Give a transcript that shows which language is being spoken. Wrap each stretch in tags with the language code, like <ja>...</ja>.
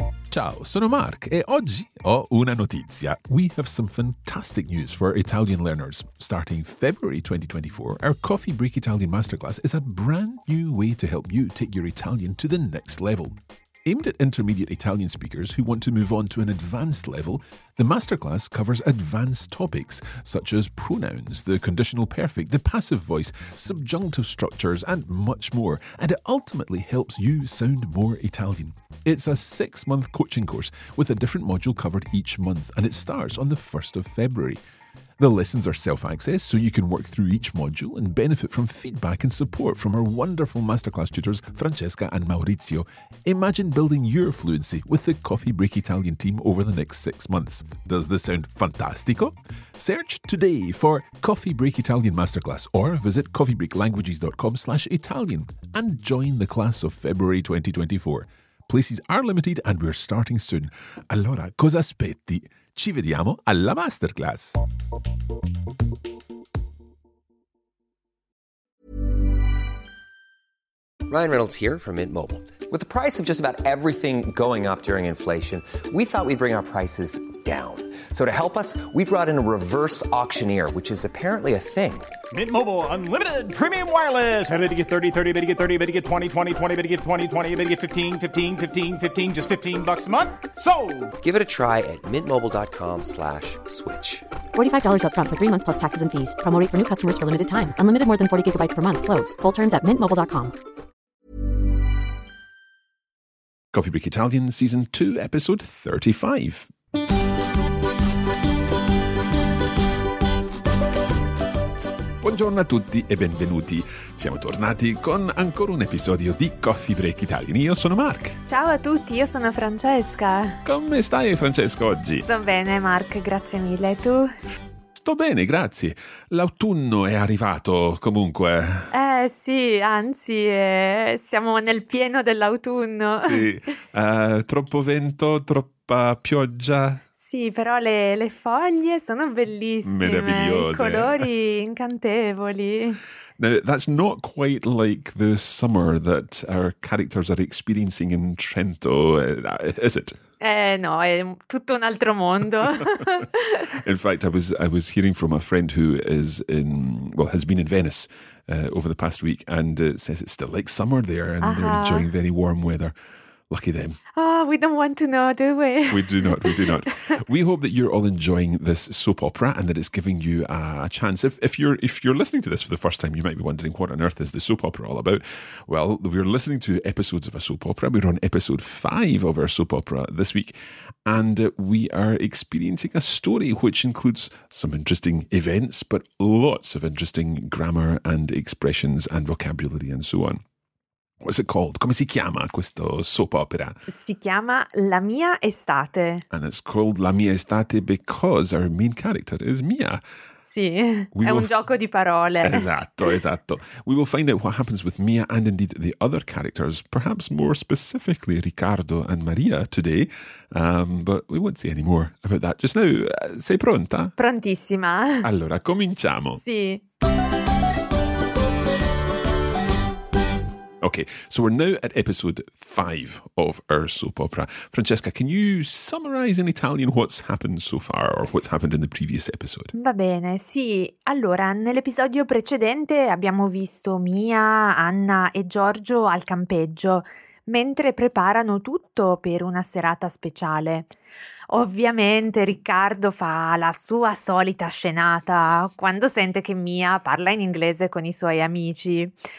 <it>Ciao, sono Mark e oggi ho una notizia.</it> <en>We have some fantastic news for Italian learners. Starting February 2024, our Coffee Break Italian Masterclass is a brand new way to help you take your Italian to the next level. Aimed at intermediate Italian speakers who want to move on to an advanced level, the masterclass covers advanced topics such as pronouns, the conditional perfect, the passive voice, subjunctive structures, and much more, and it ultimately helps you sound more Italian. It's a six-month coaching course with a different module covered each month, and it starts on the 1st of February. The lessons are self-access, so you can work through each module and benefit from feedback and support from our wonderful masterclass tutors, Francesca and Maurizio. Imagine building your fluency with the Coffee Break Italian team over the next 6 months. Does this sound fantastico? Search today for Coffee Break Italian Masterclass or visit coffeebreaklanguages.com/Italian and join the class of February 2024. Places are limited and we're starting soon.</en> <it>Allora, cosa aspetti? Ci vediamo alla masterclass.</it> <en>Ryan Reynolds here from Mint Mobile. With the price of just about everything going up during inflation, we thought we'd bring our prices down. So to help us, we brought in a reverse auctioneer, which is apparently a thing. Mint Mobile Unlimited Premium Wireless. How to get 30, 30, how to get 30, how to get 20, 20, 20, how to get 20, 20, how to get 15, 15, 15, 15, just $15 a month? Sold! Give it a try at mintmobile.com/switch. $45 up front for 3 months plus taxes and fees. Promo rate for new customers for limited time. Unlimited more than 40 gigabytes per month. Slows full terms at mintmobile.com. Coffee Break Italian, Season 2, Episode 35.</en> <it>Buongiorno a tutti e benvenuti. Siamo tornati con ancora un episodio di Coffee Break Italian. Io sono Mark. Ciao a tutti, io sono Francesca. Come stai, Francesca, oggi? Sto bene, Mark, grazie mille. E tu? Sto bene, grazie. L'autunno è arrivato, comunque. Sì, anzi, siamo nel pieno dell'autunno. Sì, troppo vento, troppa pioggia. Sì, però le foglie sono bellissime. Meravigliose. I colori incantevoli.</it> <en>Now, that's not quite like the summer that our characters are experiencing in Trento, is it?</en> <it>No, è tutto un altro mondo.</it> <en>In fact, I was hearing from a friend who is has been in Venice over the past week and says it's still like summer there and They're enjoying very warm weather. Lucky them. Oh, we don't want to know, do we? We do not. We hope that you're all enjoying this soap opera and that it's giving you a chance. If you're listening to this for the first time, you might be wondering, what on earth is the soap opera all about? Well, we're listening to episodes of a soap opera. We're on episode 5 of our soap opera this week. And we are experiencing a story which includes some interesting events, but lots of interesting grammar and expressions and vocabulary and so on. What's it called?</en> <it>Come si chiama questo soap opera? Si chiama La Mia Estate.</it> <en>And it's called La Mia Estate because our main character is Mia.</en> <it>Sì, gioco di parole. Esatto.</it> <en>We will find out what happens with Mia and indeed the other characters, perhaps more specifically Riccardo and Maria today, but we won't say any more about that just now.</en> <it>Sei pronta? Prontissima. Allora, cominciamo. Sì.</it> <en>Okay, so we're now at episode 5 of our soap opera. Francesca, can you summarize in Italian what's happened so far or what's happened in the previous episode?</en> <it>Va bene, sì. Allora, nell'episodio precedente abbiamo visto Mia, Anna e Giorgio al campeggio, mentre preparano tutto per una serata speciale. Ovviamente Riccardo fa la sua solita scenata quando sente che Mia parla in inglese con i suoi amici.</it>